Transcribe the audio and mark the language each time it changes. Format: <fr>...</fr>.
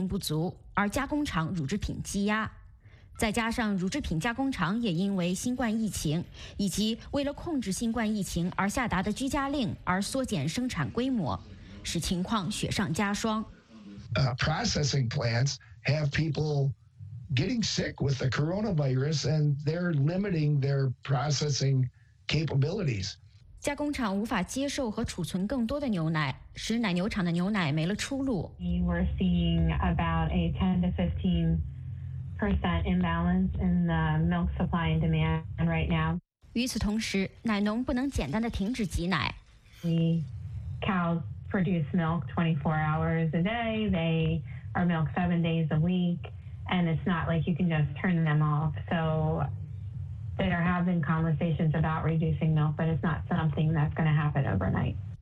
<zh>而人们对乳制品的需求量并没有减少，原本在饭店消费的人现在只能去超市购买乳制品，但是由于加工分销的模式不同，加工厂来不及将卖给餐饮业的大宗乳制品进行分装转销给超市和零售商，所以导致超市乳制品供应不足，而加工厂乳制品积压。再加上乳制品加工厂也因为新冠疫情以及为了控制新冠疫情而下达的居家令而缩减生产规模，使情况雪上加霜。</zh> <en>Processing plants have people getting sick with the coronavirus, and they're limiting their processing capabilities.</en> <zh>加工厂无法接受和储存更多的牛奶，使奶牛场的牛奶没了出路。</zh> <en>We're seeing about a 10 to 15% imbalance in the milk supply and demand right now.</en> <zh>与此同时，奶农不能简单的停止挤奶。</zh> <en>The cows produce milk 24 hours a day. They are milked 7 days a week, and it's not like you can just turn them off. So there have been conversations about reducing milk, but it's not something that's going to happen overnight.</en>